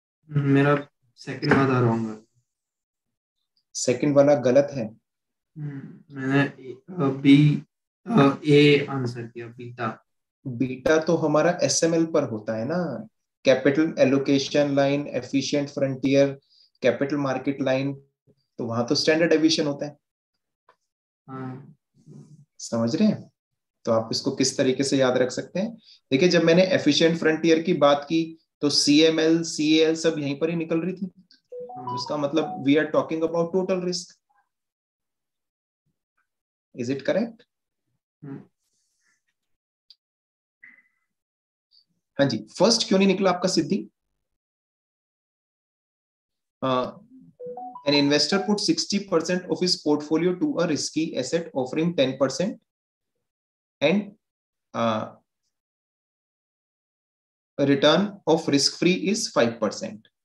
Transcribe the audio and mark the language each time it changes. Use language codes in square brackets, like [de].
[hi] मेरा second वाला wrong है. Second वाला गलत है. मैंने B A answer किया beta. Beta तो हमारा SML पर होता है ना, capital allocation line, efficient frontier, capital market line, तो वहाँ तो standard deviation होता है. समझ रहे हैं? तो आप इसको किस तरीके से याद रख सकते हैं. देखिए, जब मैंने एफिशिएंट फ्रंटियर की बात की तो CML, CAL सब यहीं पर ही निकल रही थी. उसका मतलब [en] We are talking about total risk. Is it correct? [hi] हाँ जी. फर्स्ट क्यों नहीं निकला आपका सिद्धि? [en] An investor put 60% of his portfolio to a risky asset offering 10% and a return of risk-free is 5%.